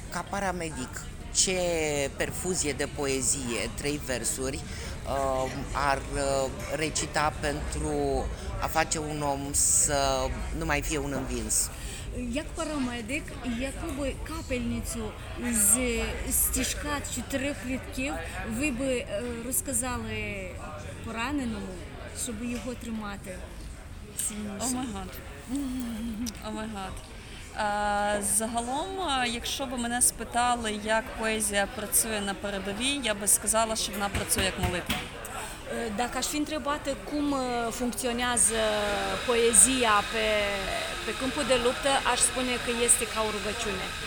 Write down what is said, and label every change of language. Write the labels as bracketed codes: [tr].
[ro] ca paramedic, ce perfuzie de poezie, trei versuri, ar recita pentru a face un om să nu mai fie un învins? [uk] Як парамедик, я би капельницю з стіжкат чи трьох рядків, ви би розказали пораненому, щоб його тримати сильніше? [en] Омайгад. [uk] Загалом, якщо б мене спитали, як поезія працює на передовій, я би сказала, що вона працює як молитва. [ro] Dacă aș fi întrebat cum funcționează poezia pe câmpul de luptă, aș spune că este ca o rugăciune.